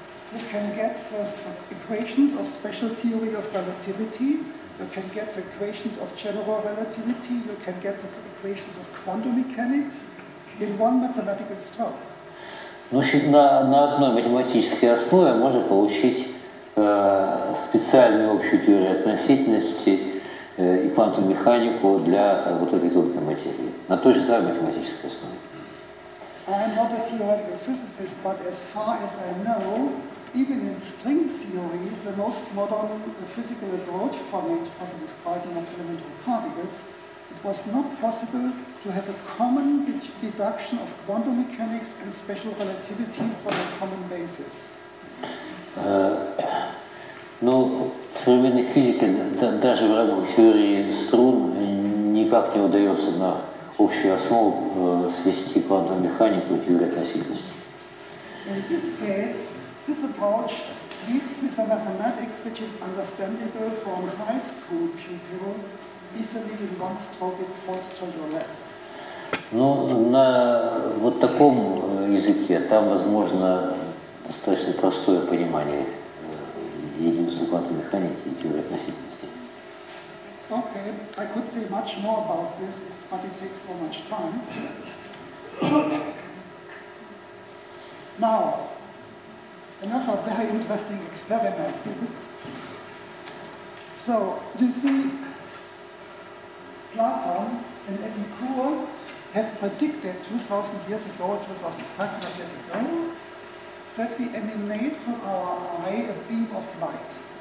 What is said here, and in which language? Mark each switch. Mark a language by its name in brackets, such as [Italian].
[English] You can get the equations of special theory of relativity, you can get the equations of general relativity, you can get the equations of quantum mechanics in one mathematical stroke. [Russian] Ну, на одной математической основе можно получить специальную общую теорию относительности и квантовую механику для вот этой тонкой материи. На той же самой математической основе. [English] I am not a theoretical physicist, but as far as I know, even in string theory, the most modern physical approach for the describing of elementary particles, it was not possible to have a common deduction of quantum mechanics and special relativity for a common basis. [Russian] Ну, в современной физике даже в рамках теории струн никак не удается на общую основу свести квантовую механику и теорию относительности. [English] In this case, this approach leads with a mathematics which is understandable from high school pupil easily in one stroke it falls to your lap. [Russian] Ну, на вот таком языке там возможно достаточно простое понимание единства квантовой механики и теории относительности. [English] Okay, I could say much more about this, but it takes so much time. Now, another very interesting experiment. So, you see, Platon and Epicurus have predicted 2,000 years ago, 2,500 years ago, that we emanate from our eye a beam of light.